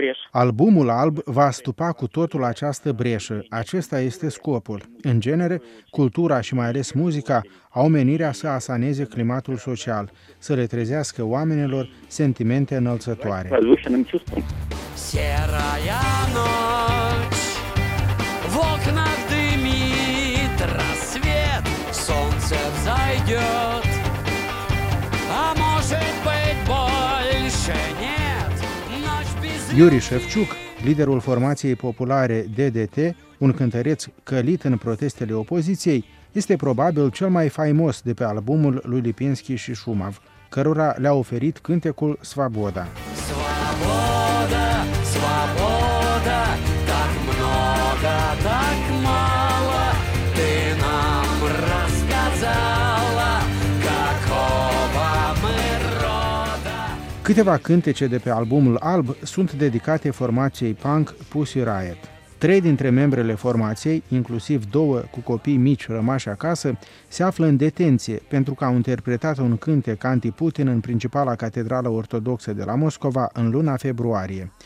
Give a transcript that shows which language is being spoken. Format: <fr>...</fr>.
<ro>Albumul alb va stupa cu totul această breșă. Acesta este scopul. În genere, cultura și mai ales muzica au menirea să asaneze climatul social, să le trezească oamenilor sentimente înălțătoare.</ro> <ru>Серая ночь, в окнах дымит рассвет, солнце взойдет, а может быть больше нет.</ru> <ro>Юрий Шевчук, liderul formației populare DDT, un cântăreț călit în protestele opoziției, este probabil cel mai faimos de pe albumul lui Lipinski și Shumov, cărora le-a oferit cântecul Svoboda.</ro> <ru>Свобода, свобода, так много, так мало, ты нам рассказала, какого мы рода.</ru> <ro>Câteva cântece de pe albumul alb sunt dedicate formației punk Pussy Riot. Trei dintre membrele formației, inclusiv două cu copii mici rămași acasă, se află în detenție pentru că au interpretat un cântec anti-Putin în principala catedrală ortodoxă de la Moscova în luna februarie.</ro>